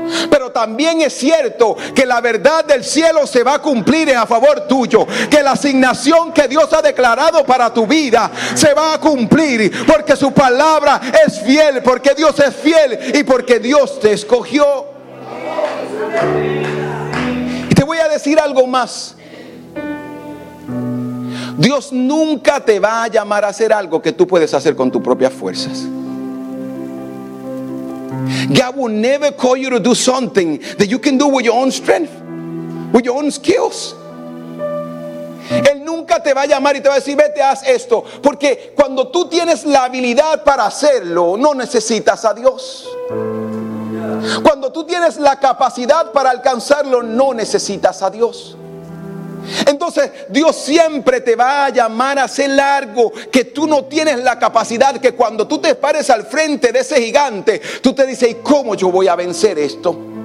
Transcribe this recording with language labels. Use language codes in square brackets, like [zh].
[es] Pero también es cierto que la verdad del cielo se va a cumplir en a favor tuyo, que la asignación que Dios ha declarado para tu vida se va a cumplir, porque su palabra es fiel, porque Dios es fiel y porque Dios te escogió. Y te voy a decir algo más. Dios nunca te va a llamar a hacer algo que tú puedes hacer con tus propias fuerzas. [en] God will never call you to do something that you can do with your own strength, with your own skills. [es] Él nunca te va a llamar y te va a decir, vete, haz esto. Porque cuando tú tienes la habilidad para hacerlo, no necesitas a Dios. Cuando tú tienes la capacidad para alcanzarlo, no necesitas a Dios. Entonces Dios siempre te va a llamar a hacer algo que tú no tienes la capacidad, que cuando tú te pares al frente de ese gigante, tú te dices, ¿y cómo yo voy a vencer esto?